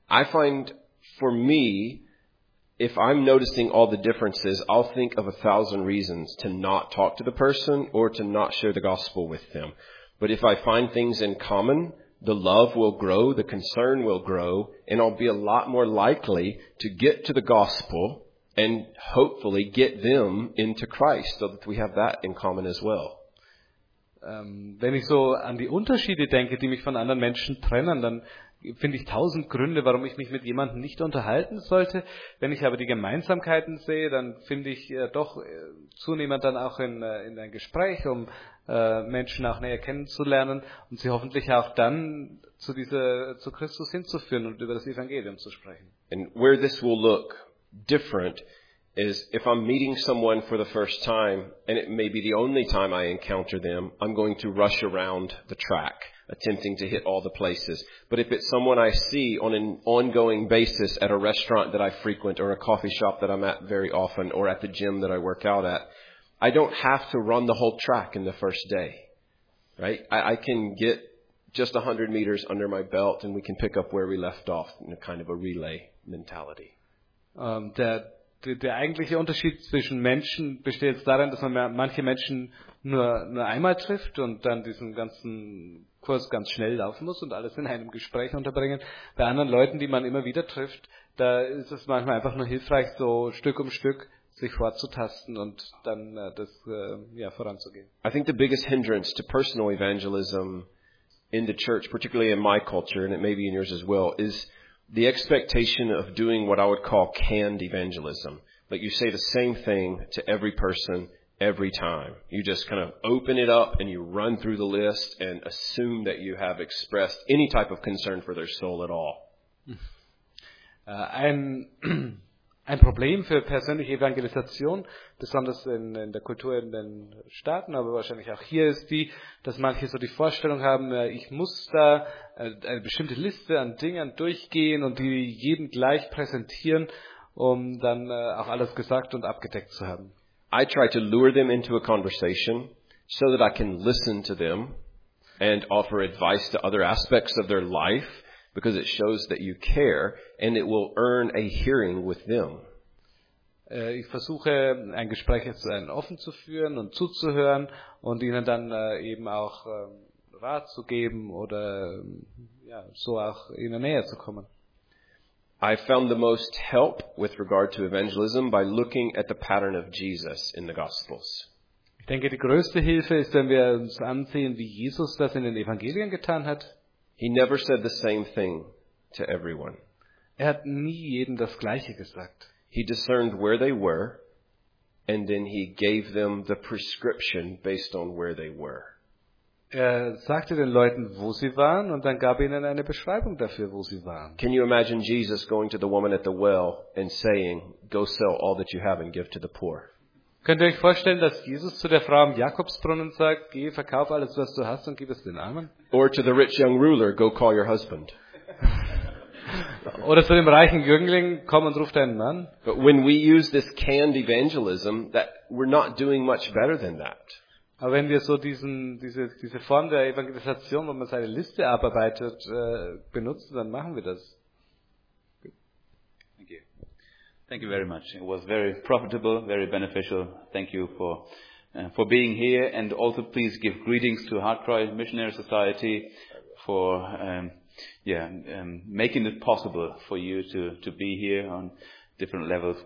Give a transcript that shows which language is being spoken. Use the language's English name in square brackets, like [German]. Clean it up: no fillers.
[English] I find, for me, if I'm noticing all the differences, I'll think of 1,000 reasons to not talk to the person or to not share the gospel with them. But if I find things in common, the love will grow, the concern will grow, and I'll be a lot more likely to get to the gospel and hopefully get them into Christ, so that we have that in common as well. [German] Wenn ich so an die Unterschiede denke, die mich von anderen Menschen trennen, dann finde ich 1,000 Gründe, warum ich mich mit jemandem nicht unterhalten sollte. Wenn ich aber die Gemeinsamkeiten sehe, dann finde ich doch zunehmend dann auch in ein Gespräch, um Menschen auch näher kennenzulernen und sie hoffentlich auch dann zu Christus hinzuführen und über das Evangelium zu sprechen. [English] And where this will look different is if I'm meeting someone for the first time and it may be the only time I encounter them, I'm going to rush around the track, attempting to hit all the places. But if it's someone I see on an ongoing basis at a restaurant that I frequent or a coffee shop that I'm at very often or at the gym that I work out at, I don't have to run the whole track in the first day, right? I can get just 100 meters under my belt and we can pick up where we left off in a kind of a relay mentality. [German] Der eigentliche Unterschied zwischen Menschen besteht jetzt darin, dass man manche Menschen nur einmal trifft und dann diesen ganzen Kurs ganz schnell laufen muss und alles in einem Gespräch unterbringen. Bei anderen Leuten, die man immer wieder trifft, da ist es manchmal einfach nur hilfreich, so Stück um Stück sich vorzutasten und dann voranzugehen. [English] I think the biggest hindrance to personal evangelism in the church, particularly in my culture, and it may be in yours as well, is the expectation of doing what I would call canned evangelism. Like you say the same thing to every person every time. You just kind of open it up and you run through the list and assume that you have expressed any type of concern for their soul at all. [German] Ein Problem für persönliche Evangelisation, besonders in der Kultur in den Staaten, aber wahrscheinlich auch hier, ist die, dass manche so die Vorstellung haben, ich muss da eine bestimmte Liste an Dingen durchgehen und die jedem gleich präsentieren, um dann auch alles gesagt und abgedeckt zu haben. [English] I try to lure them into a conversation so that I can listen to them and offer advice to other aspects of their life, because it shows that you care and it will earn a hearing with them. [German] Ich versuche ein Gespräch jetzt offen zu führen und zuzuhören und ihnen dann eben auch Rat zu geben oder so auch ihnen näher zu kommen. [English] I found the most help with regard to evangelism by looking at the pattern of Jesus in the Gospels. [German] Ich denke, die größte Hilfe ist, wenn wir uns ansehen, wie Jesus das in den Evangelien getan hat. [English] He never said the same thing to everyone. [German] Er hat nie jedem das Gleiche gesagt. [English] He discerned where they were, and then he gave them the prescription based on where they were. [German] Er sagte den Leuten, wo sie waren, und dann gab ihnen eine Beschreibung dafür, wo sie waren. [English] Can you imagine Jesus going to the woman at the well and saying, "Go sell all that you have and give to the poor"? [German] Könnt ihr euch vorstellen, dass Jesus zu der Frau am Jakobsbrunnen sagt, geh, verkauf alles, was du hast und gib es den Armen? [English] Or to the rich young ruler, go call your husband. [German] oder zu dem reichen Jüngling, komm und ruf deinen Mann. [English] But when we use this canned evangelism, that we're not doing much better than that. [German] Aber wenn wir so diese Form der Evangelisation, wo man seine Liste abarbeitet, benutzen, dann machen wir das. [English] Thank you very much. It was very profitable, very beneficial. Thank you for being here, and also please give greetings to Heart Cry Missionary Society for making it possible for you to be here on different levels.